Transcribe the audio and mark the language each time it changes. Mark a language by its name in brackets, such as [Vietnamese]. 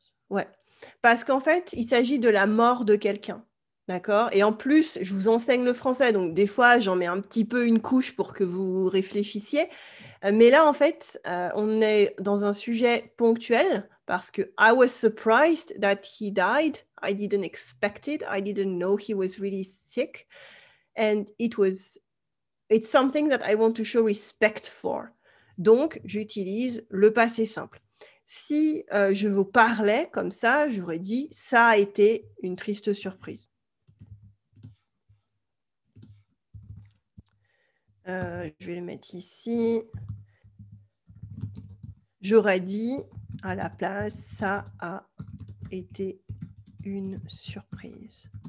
[French] Ouais. Parce qu'en fait, il s'agit de la mort de quelqu'un. D'accord ? Et en plus, je vous enseigne le français, donc des fois, j'en mets un petit peu une couche pour que vous réfléchissiez. Mais là, en fait, on est dans un sujet ponctuel, parce que « [English] I was surprised that he died. I didn't expect it. I didn't know he was really sick. And it's something that I want to show respect for. » [French] Donc, j'utilise le passé simple. Si je vous parlais comme ça, j'aurais dit « ça a été une triste surprise ». Je vais le mettre ici. J'aurais dit à la place, ça a été une surprise.